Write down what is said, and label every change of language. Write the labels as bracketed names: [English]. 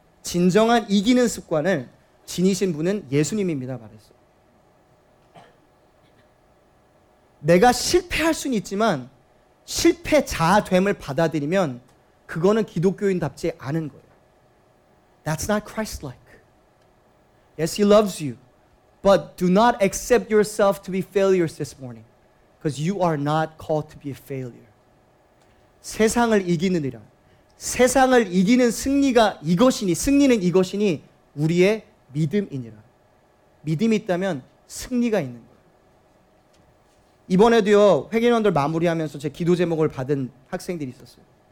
[Korean] 진정한 이기는 습관을 지니신 분은 예수님입니다. 말했어. 내가 실패할 수는 있지만 실패자됨을 받아들이면 그거는 기독교인답지 않은 거예요. [English] That's not Christ-like. Yes, He loves you. But do not accept yourself to be failures this morning. Because you are not called to be a failure. [Korean] 세상을 이기느니라. 세상을 이기는 승리가 이것이니, 승리는 이것이니 우리의 믿음이니라. 믿음이 있다면 승리가 있는 거예요. 이번에도요, 회계원들 마무리하면서 제 기도 제목을 받은 학생들이 있었어요.